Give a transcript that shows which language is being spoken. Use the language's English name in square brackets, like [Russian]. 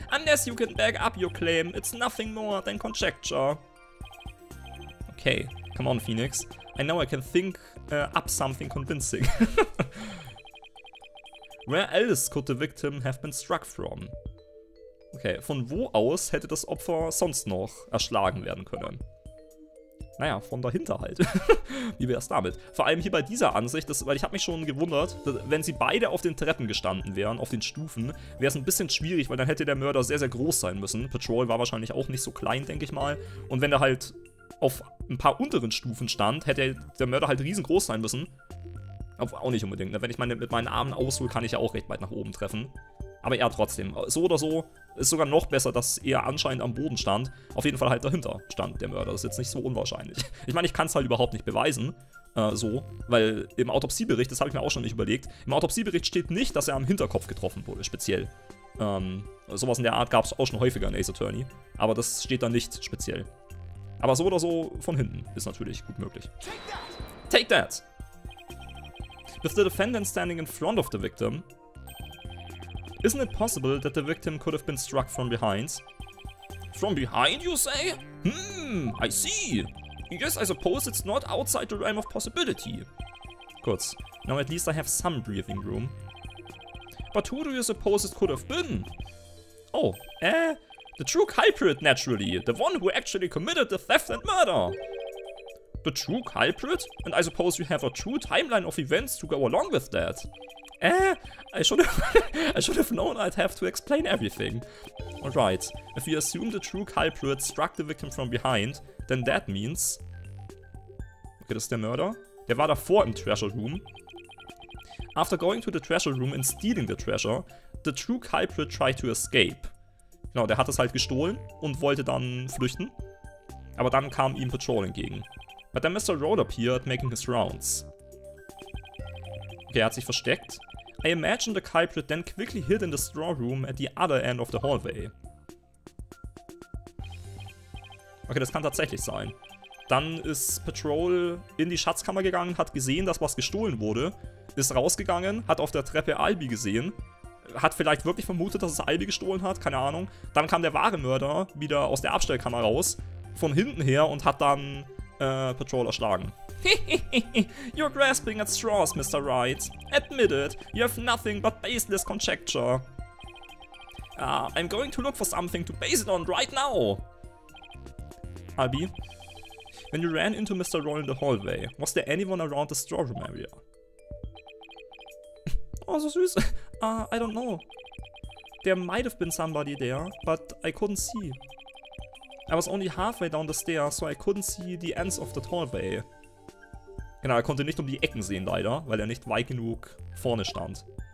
[English] Unless you can back up your claim, it's nothing more than conjecture. Okay, come on, Phoenix. I know I can think up something convincing. Where else could the victim have been struck from? [German] Okay, von wo aus hätte das Opfer sonst noch erschlagen werden können? Naja, von dahinter halt. Wie wär's damit? Vor allem hier bei dieser Ansicht, weil ich habe mich schon gewundert, dass, wenn sie beide auf den Treppen gestanden wären, auf den Stufen, wäre es ein bisschen schwierig, weil dann hätte der Mörder sehr, sehr groß sein müssen. Patrol war wahrscheinlich auch nicht so klein, denke ich mal. Und wenn er halt auf ein paar unteren Stufen stand, hätte der Mörder halt riesengroß sein müssen. Auch nicht unbedingt, ne? Wenn ich mit meinen Armen aushole, kann ich ja auch recht weit nach oben treffen. Aber er trotzdem. So oder so ist sogar noch besser, dass er anscheinend am Boden stand. Auf jeden Fall halt dahinter stand der Mörder. Das ist jetzt nicht so unwahrscheinlich. Ich meine, ich kann es halt überhaupt nicht beweisen. So, weil im Autopsiebericht, das habe ich mir auch schon nicht überlegt, im Autopsiebericht steht nicht, dass er am Hinterkopf getroffen wurde, speziell. Sowas in der Art gab es auch schon häufiger in Ace Attorney, aber das steht da nicht speziell. Aber so oder so von hinten ist natürlich gut möglich. [English] Take that! Take that! With the defendant standing in front of the victim, isn't it possible that the victim could have been struck from behind? From behind, you say? I see! Yes, I suppose it's not outside the realm of possibility. Good. Now at least I have some breathing room. But who do you suppose it could have been? Oh, the true culprit, naturally. The one who actually committed the theft and murder. The true culprit? And I suppose you have a true timeline of events to go along with that. I should have known I'd have to explain everything. Alright, if we assume the true culprit struck the victim from behind, then that means... [German] Okay, das ist der Mörder. Der war davor im Treasure Room. [English] After going to the Treasure Room and stealing the treasure, the true culprit tried to escape. [German] Genau, der hat es halt gestohlen und wollte dann flüchten. Aber dann kam ihm Patrol entgegen. [English] But then Mr. Road appeared, making his rounds. [German] Okay, er hat sich versteckt. [English] I imagine the culprit then quickly hid in the straw room at the other end of the hallway. [German] Okay, das kann tatsächlich sein. Dann ist Patrol in die Schatzkammer gegangen, hat gesehen, dass was gestohlen wurde, ist rausgegangen, hat auf der Treppe Albi gesehen, hat vielleicht wirklich vermutet, dass es Albi gestohlen hat, keine Ahnung. Dann kam der wahre Mörder wieder aus der Abstellkammer raus, von hinten her und hat dann Patrol erschlagen. [English] You're grasping at straws, Mr. Wright. Admit it, you have nothing but baseless conjecture. I'm going to look for something to base it on right now. Albi, when you ran into Mr. Roll in the hallway, was there anyone around the straw room area? [German] Oh, so süß. [English] I don't know. There might have been somebody there, but I couldn't see. I was only halfway down the stairs, so I couldn't see the ends of the hallway. [German] Genau, er konnte nicht um die Ecken sehen, leider, weil er nicht weit genug vorne stand.